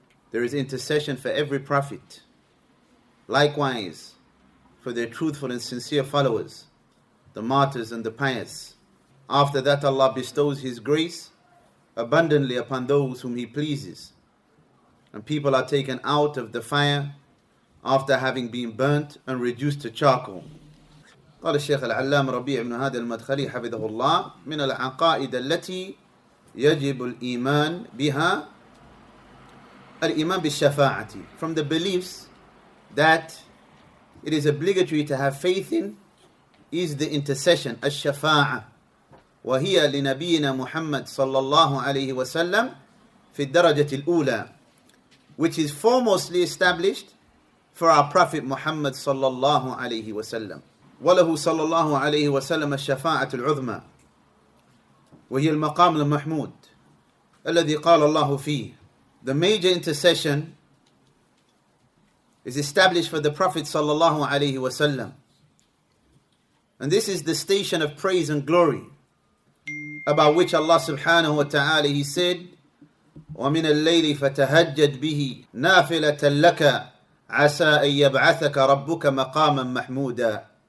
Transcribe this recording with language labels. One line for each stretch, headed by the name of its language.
English: There is intercession for every prophet, likewise for their truthful and sincere followers, the martyrs and the pious. After that, Allah bestows His grace abundantly upon those whom He pleases. And people are taken out of the fire after having been burnt and reduced to charcoal.
Arabic: قال الشيخ العلام ربيع بن هادي المدخلي حفظه الله من العقائد التي يجب الإيمان بها الإيمان بالشفاعة.
English: From the beliefs that it is obligatory to have faith in is the intercession, الشفاعة.
Arabic: وهي لنبينا محمد صلى الله عليه وسلم في الدرجة الأولى,
English: which is foremostly established for our Prophet Muhammad
Arabic: صلى الله عليه وسلم. وله صلى الله عليه وسلم الشفاعة العظمى, وهي المقام المحمود الذي قال الله فيه.
English: The major intercession is established for the Prophet صلى الله عليه وسلم, and this is the station of praise and glory about which Allah subhanahu wa ta'ala, He said,
Arabic: وَمِنَ اللَّيْلِ فَتَهَجَّدْ بِهِ نَافِلَةً لَكَ عَسَىٰ أَن يَبْعَثَكَ رَبُّكَ مَقَامًا مَحْمُودًا.